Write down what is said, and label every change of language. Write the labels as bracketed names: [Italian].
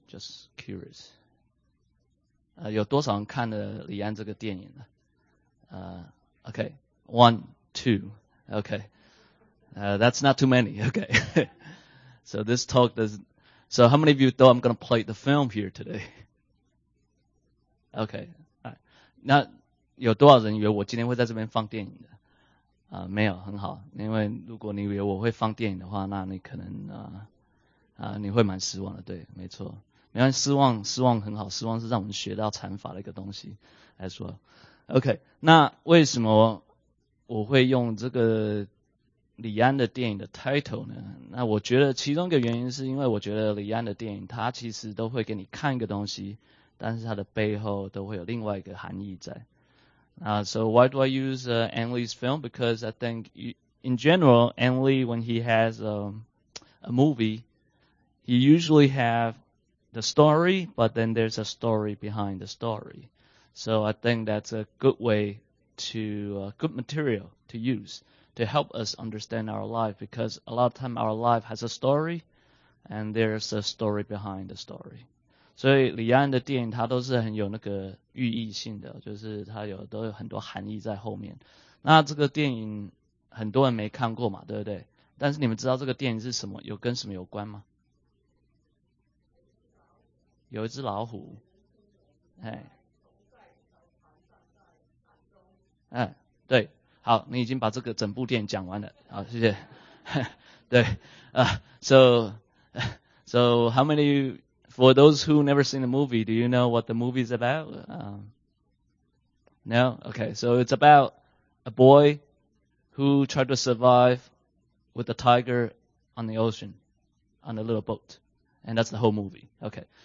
[English] Just curious. [Chinese] 有多少人看了李安这个电影呢？ [English] Okay, one, two, okay. That's not too many, okay. So this talk does. So how many of you thought I'm going to play the film here today? Okay. Right. [Chinese] 那有多少人以为我今天会在这边放电影的？没有，很好。因为如果你以为我会放电影的话，那你可能你会蛮失望的。对，没错。没关系，失望很好，失望是让我们学到禅法的一个东西来说。 OK, 那为什么我会用这个李安的电影的 title 呢？那我觉得其中一个原因是因为我觉得李安的电影他其实都会给你看一个东西，但是他的背后都会有另外一个含义在。 [English] So why do I use Ang Lee's film? Because I think in general, Ang Lee, when he has a movie, he usually haveThe story, but then there's a story behind the story. So I think that's a good way to, good material to use to help us understand our life because a lot of time our life has a story and there's a story behind the story. [Chinese] 所以李安的电影它都是很有那个寓意性的，就是它有都有很多含义在后面。那这个电影很多人没看过嘛，对不对？但是你们知道这个电影是什么，有跟什么有关吗？有一只老虎，哎，对，好，你已经把这个整部电影讲完了，好，谢谢。 [English] 对，so how many for those who never seen the movie, do you know what the movie is about? No, okay, so it's about a boy who tried to survive with a tiger on the ocean on a little boat. And that's the whole movie. Okay.